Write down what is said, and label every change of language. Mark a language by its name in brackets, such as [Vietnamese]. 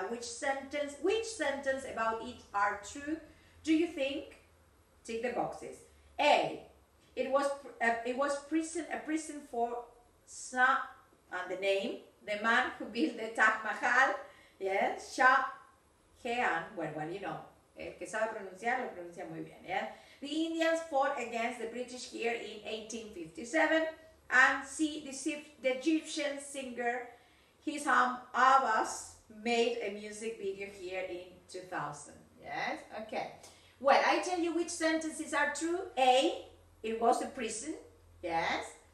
[English] Which sentence about it are true? Do you think? Tick the boxes. A. It was a prison for Shah, and the name, the man who built the Taj Mahal. Yes, Shah Jahan. Well, you know. [Spanish] El que sabe pronunciar lo pronuncia muy bien. [English] Yeah. The Indians fought against the British here in 1857. And see, the Egyptian singer Hisham Abbas made a music video here in 2000. Yes? Okay. Well, I tell you which sentences are true. A, it was a prison. Yes.